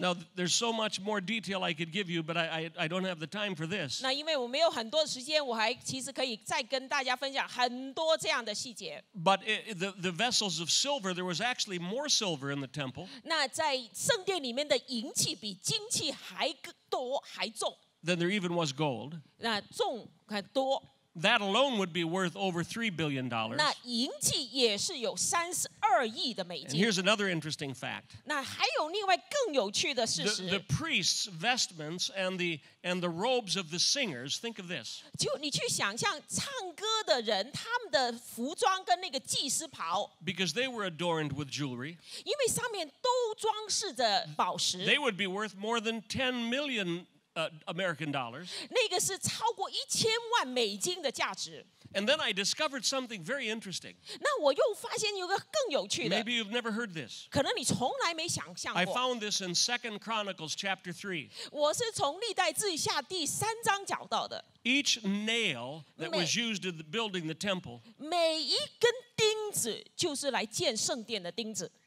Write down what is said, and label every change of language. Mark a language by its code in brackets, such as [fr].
[en] Now there's so much more detail I could give you, but I don't have the time for this. [zh] 那因为我没有很多时间，我还其实可以再跟大家分享很多这样的细节。 [en] But the vessels of silver, there was actually more silver in the temple. [zh] 那在圣殿里面的银器比金器还多还重。 [en] Then there even was gold. [zh] 那重很多。 [en] That alone would be worth over $3 billion. [zh] 那银器也是有32亿的美金。 [en] And here's another interesting fact. [zh] 那还有另外更有趣的事实。The [en] priests' vestments and the robes of the singers. Think of this. [zh] 就你去想象唱歌的人，他们的服装跟那个祭司袍。 [en] Because they were adorned with jewelry. [zh] 因为上面都装饰着宝石。 [en] They would be worth more than $10 million. American dollars. [zh] 那个是超过1000万美金的价值。 [en] And then I discovered something very interesting. [zh] 那我又发现有个更有趣的。 [en] Maybe you've never heard this. [zh] 可能你从来没想象过。 [en] I found this in 2 Chronicles chapter 3. [zh] 我是从历代志下第3章找到的。 [en] Each nail that was used in building the temple. [zh] 每一根钉子就是来建圣殿的钉子。